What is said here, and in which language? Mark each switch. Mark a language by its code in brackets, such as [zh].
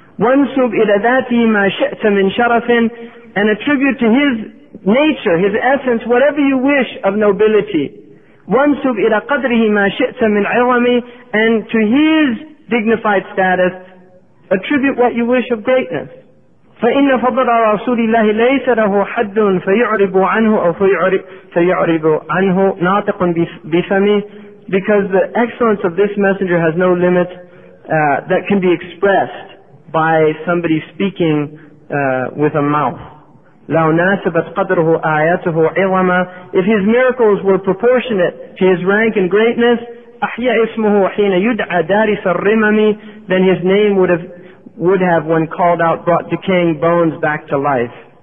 [ar] وَنْسُبْ إِلَى ذَاتِي مَا شَأْتَ مِنْ شَرَفٍ [en] And attribute to his nature, his essence, whatever you wish of nobility. [ar] وَنْسُبْ إِلَى قَدْرِهِ مَا شَأْتَ مِنْ عِظَمِ [en] And to his dignified status, attribute what you wish of greatness. [ar] فإن فضل رسول الله ليس له حد فيعرب عنه أو فيعرب عنه ناطق بفمه. [en] Because the excellence of this messenger has no limit that can be expressed by somebody speaking with a mouth. [ar] لو ناسبت قدره آياته عظما. [en] If his miracles were proportionate to his rank and greatness, [ar] أحيا اسمه حين يدعى دارس الرمم, [en] then his name would have, when called out, brought decaying bones back to life.